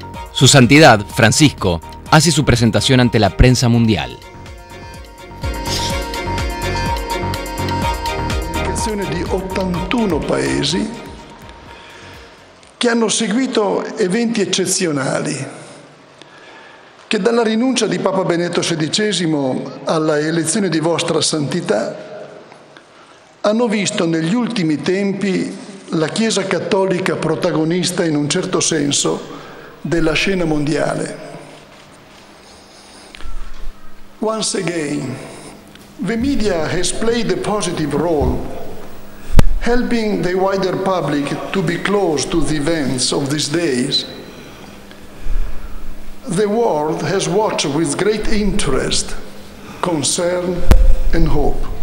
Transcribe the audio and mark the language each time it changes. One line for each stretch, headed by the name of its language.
Spanish: Su Santidad, Francisco, hace su presentación ante la prensa mundial.
Italian: Delegazione di 81 paesi che hanno seguito eventi eccezionali che dalla rinuncia di Papa Benedetto XVI alla elezione di Vostra Santità hanno visto negli ultimi tempi la Chiesa Cattolica protagonista in un certo senso della scena mondiale.
English: Once again, the media has played a positive role, helping the wider public to be close to the events of these days. The world has watched with great interest, concern, and hope.